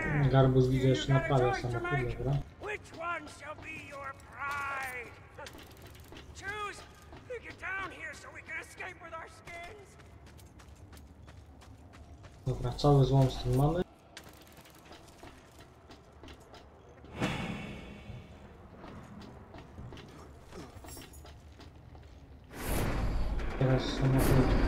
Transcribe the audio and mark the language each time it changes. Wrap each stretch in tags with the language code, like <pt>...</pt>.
<pl>Garbus widzę jeszcze na prawie samochodu, dobra?</pl> <en>Which one shall be your pride? Choose! We get down here so we can escape with our skins!</en> <pl>Dobra, cały złom z tym mamy. Teraz samochód.</pl>